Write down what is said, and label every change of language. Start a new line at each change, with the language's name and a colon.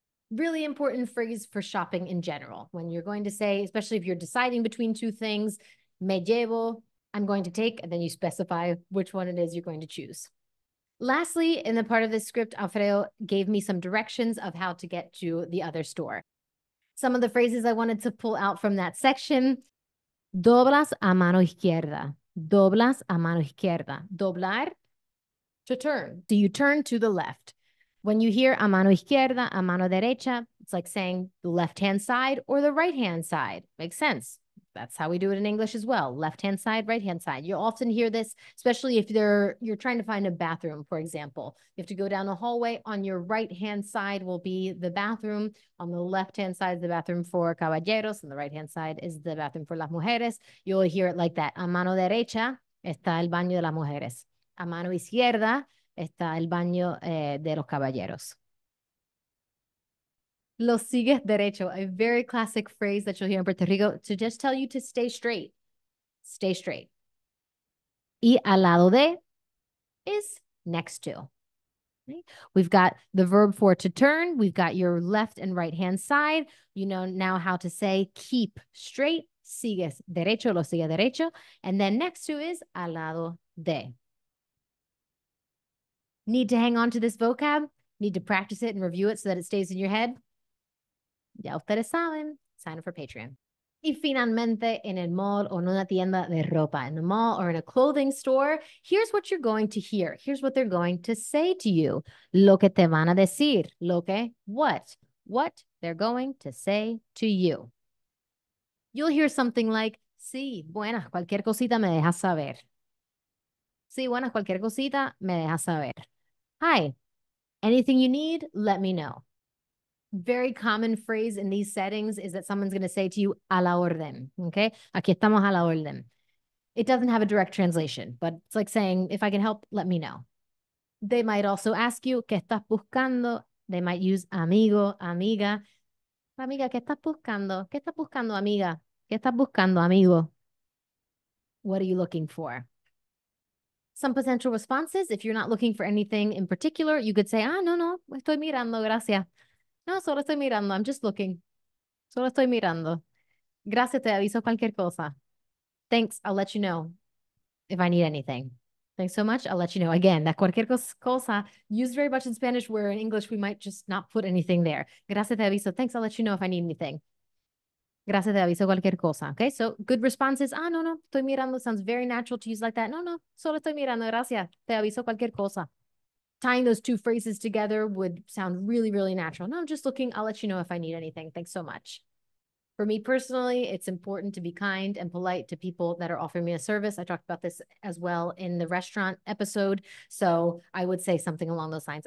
English: Really important phrase for shopping in general. When you're going to say, especially if you're deciding between two things,
Spanish: me llevo,
English: I'm going to take, and then you specify which one it is you're going to choose. Lastly, in the part of this script, Alfredo gave me some directions of how to get to the other store. Some of the phrases I wanted to pull out from that section.
Spanish: Doblas a mano izquierda. Doblas a mano izquierda.
English: Doblar, to turn. Do you turn to the left? When you hear
Spanish: a mano izquierda, a mano derecha,
English: it's like saying the left-hand side or the right-hand side. Makes sense. That's how we do it in English as well. Left-hand side, right-hand side. You'll often hear this, especially if you're trying to find a bathroom, for example. You have to go down a hallway. On your right-hand side will be the bathroom. On the left-hand side is the bathroom for caballeros. And the right-hand side is the bathroom for las mujeres. You'll hear it like that.
Spanish: A mano derecha está el baño de las mujeres. A mano izquierda está el baño de los caballeros. Lo sigues derecho,
English: a very classic phrase that you'll hear in Puerto Rico to just tell you to stay straight. Stay straight.
Spanish: Y al lado de
English: is next to. We've got the verb for to turn. We've got your left and right hand side. You know now how to say keep straight.
Spanish: Sigues derecho, lo sigues derecho.
English: And then next to is
Spanish: al lado de.
English: Need to hang on to this vocab? Need to practice it and review it so that it stays in your head?
Spanish: Ya ustedes saben,
English: sign up for Patreon.
Spanish: Y finalmente, en el mall o en una tienda de ropa,
English: in the mall or in a clothing store, here's what you're going to hear. Here's what they're going to say to you.
Spanish: Lo que te van a decir. Lo que,
English: what? What they're going to say to you. You'll hear something like,
Spanish: sí, buena, cualquier cosita me dejas saber. Sí, bueno, cualquier cosita, me deja saber.
English: Hi, anything you need, let me know. Very common phrase in these settings is that someone's going to say to you,
Spanish: a la orden,
English: okay?
Spanish: Aquí estamos a la orden.
English: It doesn't have a direct translation, but it's like saying, if I can help, let me know. They might also ask you,
Spanish: ¿qué estás buscando?
English: They might use amigo, amiga.
Spanish: Amiga, ¿qué estás buscando? ¿Qué estás buscando, amiga? ¿Qué estás buscando, amigo?
English: What are you looking for? Some potential responses. If you're not looking for anything in particular, you could say,
Spanish: ah, no, no, estoy mirando, gracias. No, solo estoy mirando,
English: I'm just looking.
Spanish: Solo estoy mirando. Gracias, te aviso cualquier cosa.
English: Thanks, I'll let you know if I need anything. Thanks so much, I'll let you know. Again, that
Spanish: cualquier cosa,
English: used very much in Spanish, where in English we might just not put anything there.
Spanish: Gracias, te aviso.
English: Thanks, I'll let you know if I need anything.
Spanish: Gracias, te aviso cualquier cosa.
English: Okay, so good responses.
Spanish: Ah, no, no, estoy mirando.
English: Sounds very natural to use like that.
Spanish: No, no, solo estoy mirando. Gracias, te aviso cualquier cosa.
English: Tying those two phrases together would sound really, really natural. No, I'm just looking. I'll let you know if I need anything. Thanks so much. For me personally, it's important to be kind and polite to people that are offering me a service. I talked about this as well in the restaurant episode. So I would say something along those lines.